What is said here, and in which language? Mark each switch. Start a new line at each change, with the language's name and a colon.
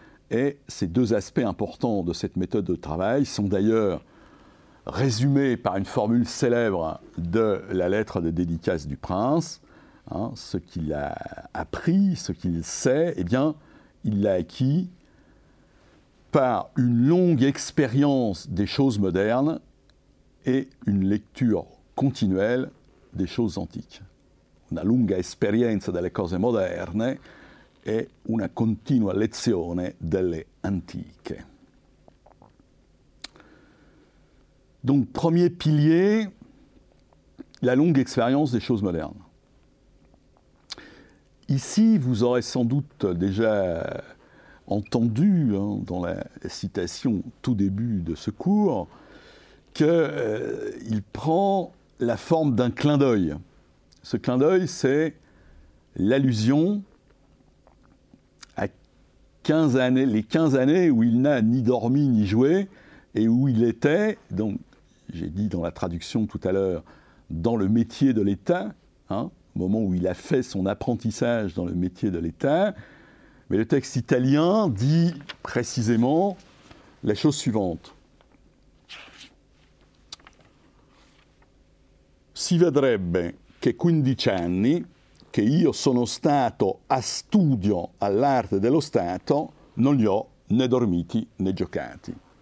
French: Et ces deux aspects importants de cette méthode de travail sont d'ailleurs résumés par une formule célèbre de la lettre de dédicace du prince. Hein, ce qu'il a appris, ce qu'il sait, eh bien, il l'a acquis par une longue expérience des choses modernes et une lecture continuelle des choses antiques.
Italian: Una lunga esperienza delle cose moderne e una continua lezione delle antiche.
French: Donc, premier pilier, la longue expérience des choses modernes. Ici, vous aurez sans doute déjà entendu, hein, dans la citation tout début de ce cours, qu'il prend la forme d'un clin d'œil Ce clin d'œil, c'est l'allusion à 15 années, les 15 années où il n'a ni dormi ni joué, et où il était, donc j'ai dit dans la traduction tout à l'heure, dans le métier de l'État, hein, au moment où il a fait son apprentissage dans le métier de l'État. Mais le texte italien dit précisément la chose suivante.
Italian: Si vedrebbe che 15 anni che io sono stato a studio all'arte dello Stato non li ho né dormiti né giocati.